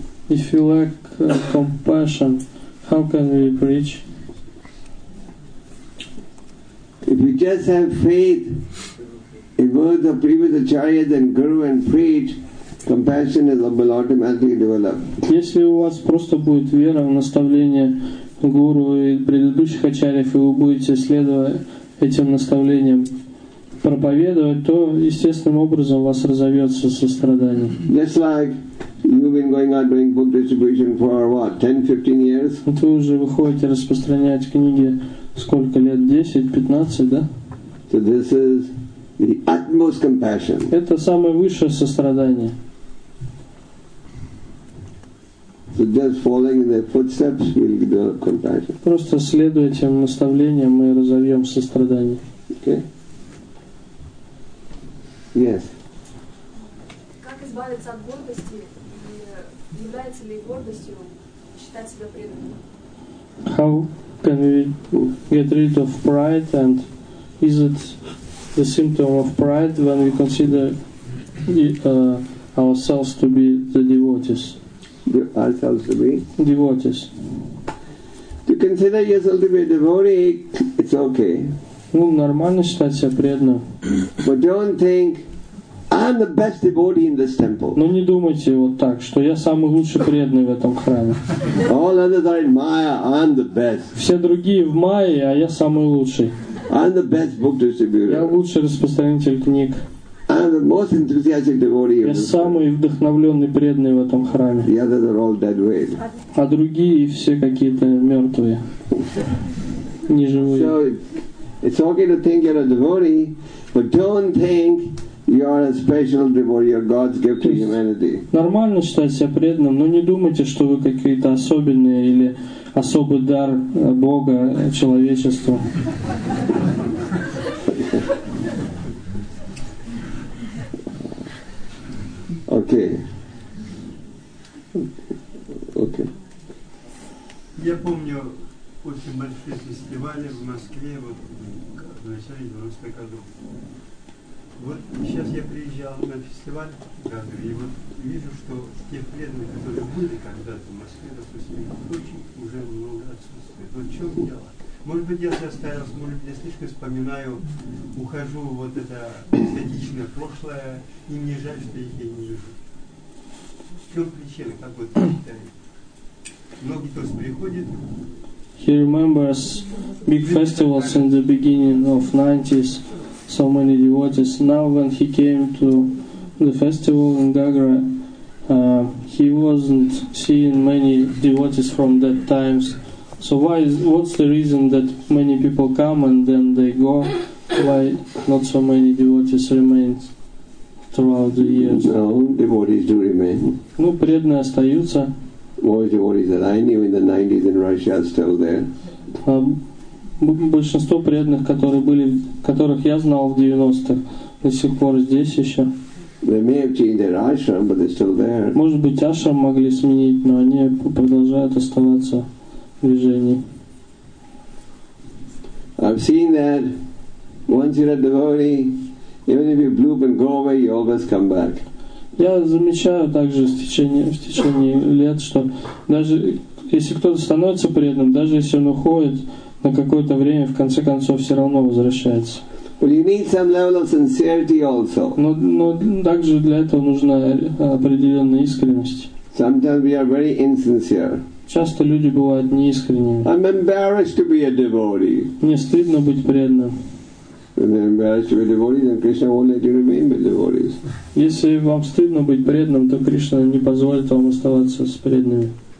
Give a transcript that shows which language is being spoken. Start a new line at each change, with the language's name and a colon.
English: If you lack compassion, how can we preach? If you just have faith in words of previous acharyas and guru and preach, compassion will automatically develop.
Russian: Если у вас просто будет вера в наставления гуру и предыдущих ачарьев, и вы будете следовать этим наставлениям, проповедовать, то естественным образом у вас разовьется сострадание.
English: Just like you've been going out doing book distribution for what, 10-15 years?
Russian: Вот вы уже выходите распространять книги сколько лет? 10-15, да?
English: So this is the utmost compassion.
Russian: Это самое высшее сострадание.
English: So just following in their footsteps will develop compassion.
Russian: Просто следуя этим наставлениям, мы разовьем сострадание.
English: Okay. Yes.
Russian: Как избавиться от гордости и является ли гордостью считать себя преданным?
English: How can we get rid of pride, and is it the symptom of pride when we consider ourselves to be the devotees? Ourselves to be? Devotees. To consider yourself to be a devotee, it's okay.
Russian: Ну, нормально считать себя преданным.
English: But don't think I'm the best devotee in this temple.
Russian: Но не думайте вот так, что я самый лучший преданный в этом храме.
English: All others are in Maya, I'm the best.
Russian: Все другие в Майе, а я самый лучший.
English: I'm the best book distributor.
Russian: Я лучший распространитель книг.
English: I'm the most enthusiastic devotee.
Russian: Я самый вдохновленный преданный в этом храме.
English: The others are all dead weight.
Russian: А другие все какие-то мертвые, неживые.
English: So it's okay to think you're a devotee, but don't think you are a special devotee, you are God's gift to humanity.
Russian: Нормально считать себя преданным, но не думайте, что вы какие-то особенные или особый дар Бога человечеству. Окей. Я помню очень большие фестивали в Москве вот в начале 90-х годов. Вот сейчас я приезжал на фестиваль, и вот вижу, что те преданные, которые были когда-то в Москве, допустим, очень уже много отсутствует. Вот в чем дело? Может быть, я застарился, может быть, я слишком вспоминаю, ухожу в вот это эстетичное прошлое, и мне жаль, что их я не вижу. В чем причина, как вот считаете? Многие тоже приходят.
English: He remembers big festivals in the beginning of 90s. So many devotees. Now when he came to the festival in Gagra, he wasn't seeing many devotees from that times. So what's the reason that many people come and then they go? Why not so many devotees remain throughout the years? No, devotees do remain.
Russian: Ну, преданные остаются.
English: Most devotees that I knew in the 90s in Russia are still there.
Russian: Большинство преданных, которые были, которых я знал в 90-х, до сих пор здесь еще.
English: They may have changed their ashram, but they're still there.
Russian: Может быть, ашрам могли сменить, но они продолжают оставаться в движении.
English: I've seen that once you're a devotee, even if you bloop and go away, you always come back.
Russian: Я замечаю также в течение лет, что даже если кто-то становится преданным, даже если он уходит на какое-то время, в конце концов все равно возвращается.
English: But you need some level of sincerity also.
Russian: Но также для этого нужна определенная искренность.
English: Sometimes we are very insincere.
Russian: Часто люди бывают неискренними.
English: I'm embarrassed to be a devotee.
Russian: Мне стыдно быть преданным. Если вам стыдно быть преданным, то Кришна не позволит вам оставаться с преданными.